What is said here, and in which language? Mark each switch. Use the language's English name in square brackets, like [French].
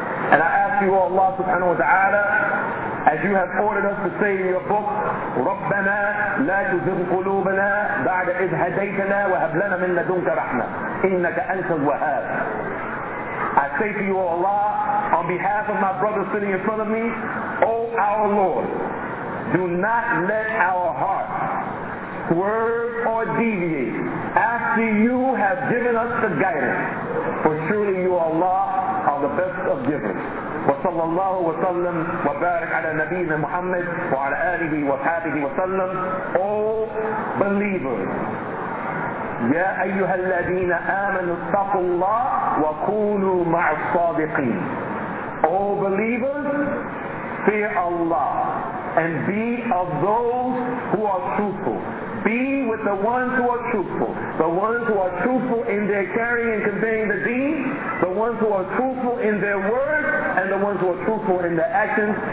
[English] And I ask you, O Allah subhanahu wa ta'ala, as you have ordered us to say in your book, [Arabic] رَبَّنَا لَا تُزِغْ قُلُوبَنَا بَعْدَ إِذْ هَدَيْتَنَا وَهَبْ لَنَا مِنْ لَدُنْكَ رَحْمَةً إِنَّكَ أَنْتَ الْوَهَابَ. [English] I say to you, O Allah, on behalf of my brother sitting in front of me, O our Lord, do not let our hearts swerve or deviate after you have given us the guidance. For surely you, Allah, are the best of givers. [Arabic] وصلى الله وسلم وبارك على نبينا محمد وعلى آله وصحبه وسلم. [English] O believers, [Arabic] يا أيها الذين آمنوا اتقوا الله وكونوا مع الصادقين. [English] O believers, fear Allah and be of those who are truthful. Be with the ones who are truthful. The ones who are truthful in their carrying and conveying the deen. The ones who are truthful in their words. And the ones who are truthful in their actions.